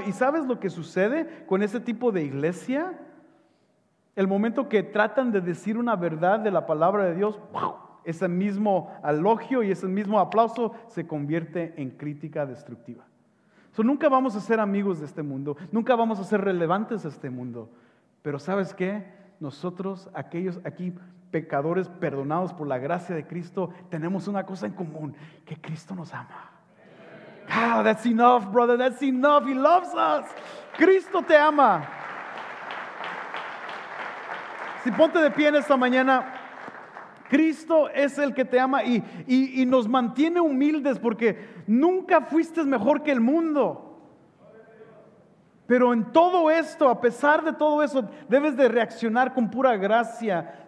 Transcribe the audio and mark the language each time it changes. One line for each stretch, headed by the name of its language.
Spanish: ¿Y sabes lo que sucede con ese tipo de iglesia? El momento que tratan de decir una verdad de la palabra de Dios, ¡pum!, ese mismo elogio y ese mismo aplauso se convierte en crítica destructiva. So, nunca vamos a ser amigos de este mundo, nunca vamos a ser relevantes a este mundo. Pero ¿sabes qué? Nosotros, aquellos aquí pecadores perdonados por la gracia de Cristo, tenemos una cosa en común, que Cristo nos ama.
English: Ah, that's enough, brother, that's enough, He loves us.
Spanish: Cristo te ama. Si ponte de pie en esta mañana, Cristo es el que te ama y nos mantiene humildes porque nunca fuiste mejor que el mundo. Pero en todo esto, a pesar de todo eso, debes de reaccionar con pura gracia.